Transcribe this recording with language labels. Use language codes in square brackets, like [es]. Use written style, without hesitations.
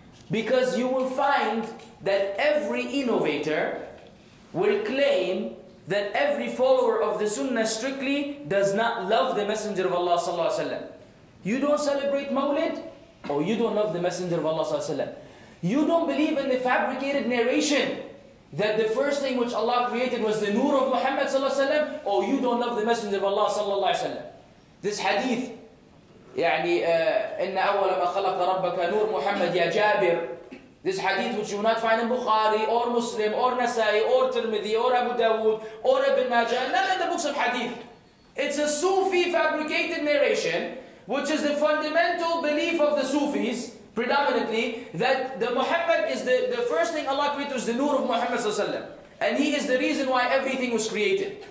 [en] Because you will find that every innovator will claim that every follower of the Sunnah strictly does not love the Messenger of Allah sallallahu alaihi wasallam. You don't celebrate Mawlid, or you don't love the Messenger of Allah sallallahu alaihi wasallam. You don't believe in the fabricated narration that the first thing which Allah created was the nur of Muhammad sallallahu alaihi wasallam, or you don't love the Messenger of Allah sallallahu alaihi wasallam. This hadith, [ar] يعني إن أول ما خلق ربك نور محمد يا جابر. [en] This hadith which you will not find in Bukhari or Muslim or Nasai or Tirmidhi or Abu Dawood or Ibn Majah, none of the books of hadith. It's a Sufi fabricated narration, which is the fundamental belief of the Sufis, predominantly, that the Muhammad is the first thing Allah created was the nur of Muhammad sallallahu alaihi wasallam, and he is the reason why everything was created.